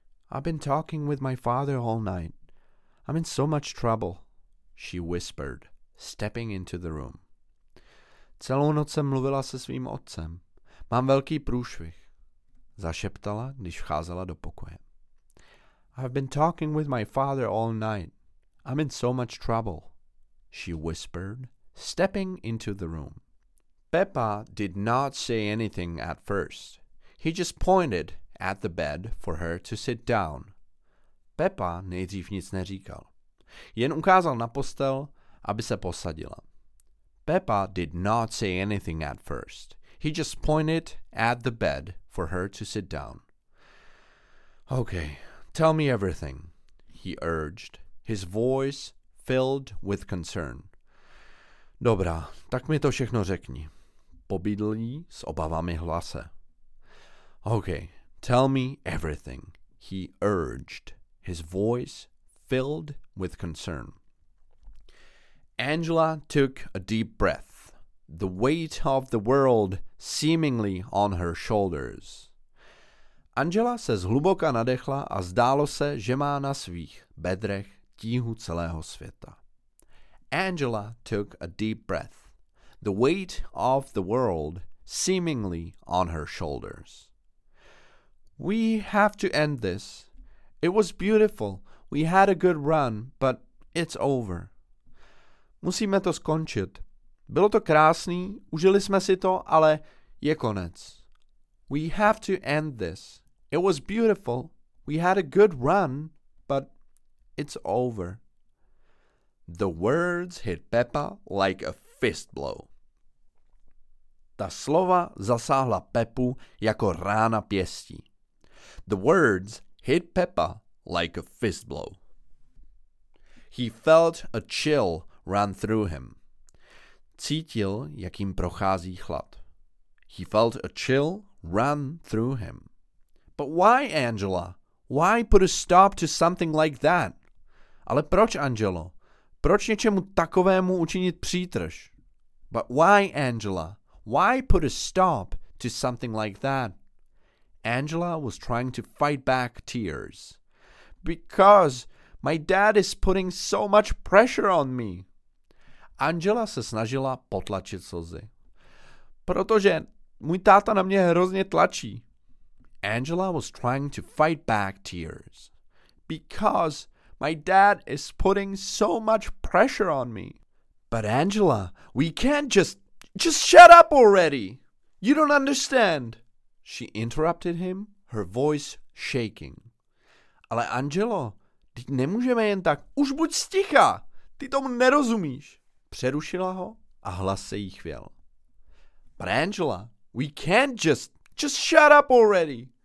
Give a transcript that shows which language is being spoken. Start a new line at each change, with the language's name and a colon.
English: I've been talking with my father all night. I'm in so much trouble, she whispered, stepping into the room.
Czech: Celou noc jsem mluvila se svým otcem. Mám velký průšvih, zašeptala, když vcházela do pokoje.
English: I've been talking with my father all night. I'm in so much trouble, she whispered, stepping into the room. Pepa did not say anything at first. He just pointed at the bed for her to sit down.
Czech: Pepa nejdřív nic neříkal. Jen ukázal na postel, aby se posadila.
English: Pepa did not say anything at first. He just pointed at the bed for her to sit down. Okay, tell me everything, he urged, his voice filled with concern.
Czech: Dobrá, tak mi to všechno řekni, pobídl jí s obavami hlase.
English: Okay, tell me everything, he urged, his voice filled with concern. Angela took a deep breath, the weight of the world seemingly on her shoulders.
Czech: Angela se zhluboka nadechla a zdálo se, že má na svých bedrech tíhu celého světa.
English: Angela took a deep breath, the weight of the world seemingly on her shoulders. We have to end this. It was beautiful. We had a good run, but it's over.
Czech: Musíme to skončit. Bylo to krásný, užili jsme si to, ale je konec.
English: We have to end this. It was beautiful. We had a good run, but it's over. The words hit Pepa like a fist blow.
Czech: Ta slova zasáhla Pepu jako rána pěstí.
English: The words hit Pepa like a fist blow. He felt a chill run through him.
Czech: Cítil, jak jim prochází chlad.
English: He felt a chill run through him. But why, Angela? Why put a stop to something like that?
Czech: Ale proč, Angelo? Proč něčemu takovému učinit přítrž?
English: But why, Angela? Why put a stop to something like that? Angela was trying to fight back tears. Because my dad is putting so much pressure on me.
Czech: Angela se snažila potlačit slzy. Protože můj táta na mě hrozně tlačí.
English: Angela was trying to fight back tears. Because my dad is putting so much pressure on me. But Angela, we can't just shut up already. You don't understand. She interrupted him, her voice shaking.
Czech: Ale Angelo, teď nemůžeme jen tak, už buď sticha, ty tomu nerozumíš. Přerušila ho a hlas se jí chvěl.
English: But Angela, we can't just shut up already.